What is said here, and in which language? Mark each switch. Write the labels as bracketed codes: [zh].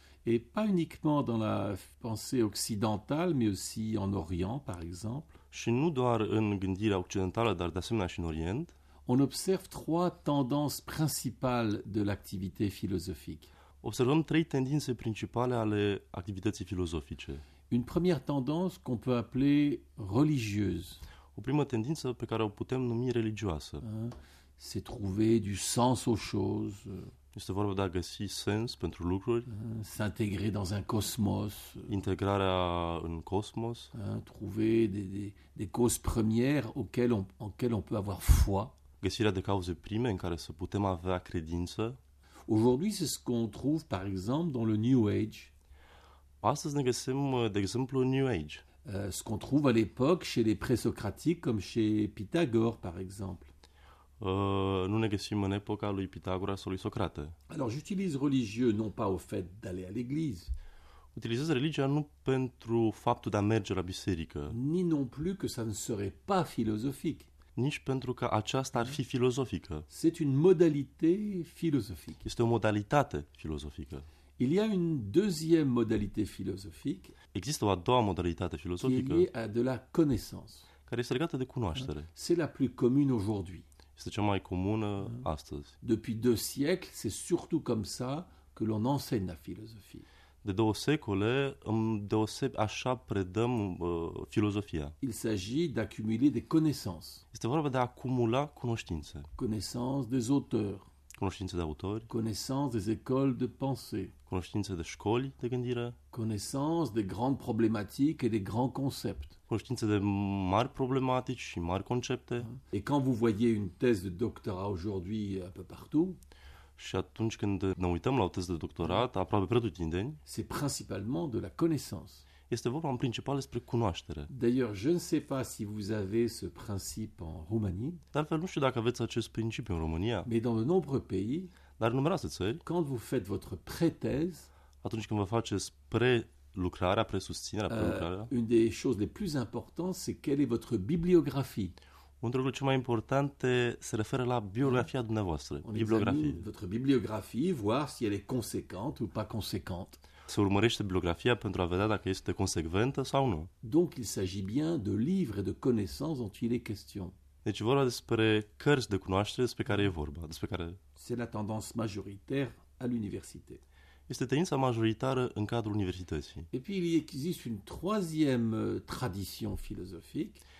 [fr] et pas uniquement dans la pensée occidentale, mais aussi en Orient, par exemple, [ro] și nu doar în gândirea occidentală, dar de asemenea și în Orient, [fr] on observe trois tendances principales de l'activité philosophique. [ro] Observăm trei tendințe principale ale activității filozofice. [fr] Une première tendance qu'on peut appeler religieuse. [ro] O primă tendință pe care o putem numi religioasă. [fr] C'est trouver du sens aux choses. [ro] Este vorba de a găsi sens pentru lucruri. [fr] S'intégrer dans un cosmos. [ro] Integrarea în cosmos. [fr] Trouver des causes premières auxquelles en quelles on peut avoir foi. [ro] Găsirea de cauze prime în care să putem avea credință. [fr] Aujourd'hui, c'est ce qu'on trouve, par exemple, dans le New Age. [ro] Astăzi ne găsim, de exemplu, New Age. [fr] Ce qu'on trouve à l'époque chez les présocratiques, comme chez Pythagore, par exemple. [ro] Nu ne găsim în epoca lui Pythagora sau lui Socrate. [fr] Alors, j'utilise religieux, non pas au fait d'aller à l'église. [ro] Utilizez religia nu pentru faptul de a merge la biserică. [fr] Ni non plus que ça ne serait pas philosophique. [ro] Nici pentru că aceasta ar fi filozofică. [fr] C'est une modalité philosophique. [ro] Este o modalitate filozofică. [fr] Il y a une deuxième modalité philosophique. [ro] Există o a doua modalitate filozofică. [fr] Qui est liée à de la connaissance. [ro] Care este legată de cunoaștere. [fr] C'est la plus commune aujourd'hui. [ro] Este cea mai comună astăzi. [fr] Depuis deux siècles, c'est surtout comme ça que l'on enseigne la philosophie. [ro] De două secole, așa predăm filozofia. [fr] Il s'agit d'accumuler des connaissances. [ro] Este vorba de a acumula cunoștințe. [fr] Connaissance des auteurs. [ro] Cunoștințe de autori. [fr] Connaissance des écoles de pensée. [ro] Cunoștințe de școli de gândire. [fr] Connaissance des grandes problématiques et des grands concepts. [ro] Cunoștințe de mari problematici și mari concepte. [fr] Et quand vous voyez une thèse de doctorat aujourd'hui un peu partout, [ro] Și atunci când ne uităm la o teză de doctorat, aproape pretutindeni, [fr] c'est principalement de la connaissance. [ro] Este vorba în principal despre cunoaștere. [fr] D'ailleurs, je ne sais pas si vous avez ce principe en Roumanie. [ro] Dar nu știu dacă aveți acest principiu în România. [fr] Mais dans de nombreux pays, [ro] dar în numeroase țări, [fr] quand vous faites votre pré-thèse, [ro] atunci când vă faceți pre-lucrarea, pre-susținerea, pre-lucrarea, [fr] une des choses les plus importantes, c'est quelle est votre bibliographie. [ro] Unul dintre cele mai importante se referă la biografia dumneavoastră, bibliografie. [fr] Votre bibliographie, voir si elle est conséquente ou pas conséquente. [ro] Se urmărește bibliografia pentru a vedea dacă este consecventă sau nu. [fr] Donc il s'agit bien de livres et de connaissances dont il est question. [ro] Deci e vorba despre cărți de cunoaștere despre care e vorba, despre care... [fr] C'est la tendance majoritaire à l'université. [ro] Este tendința majoritară în cadrul universității. [fr] Et puis il existe une troisième tradition philosophique.